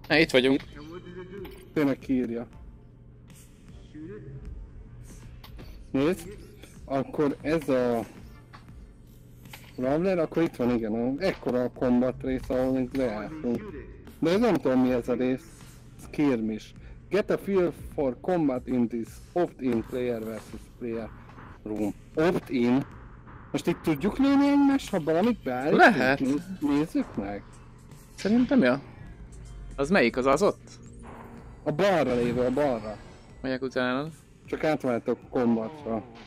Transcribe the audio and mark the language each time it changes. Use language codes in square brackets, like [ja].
[hu] Ne, itt vagyunk. Tényleg kiírja. Nézd, akkor ez a Brawler, akkor itt van, igen, ekkora a kombat rész, ahol még leálltunk. De nem tudom, mi ez a rész. Skirmish. [en] Get a feel for combat in this opt-in player versus player room. Opt-in? [hu] Most itt tudjuk lőni egymást, ha valamit beállítunk? Lehet. Nézzük meg. Szerintem, ja. Az melyik, az ott? A balra lévő, a balra. Megyek utána. Csak átváltok kombatra.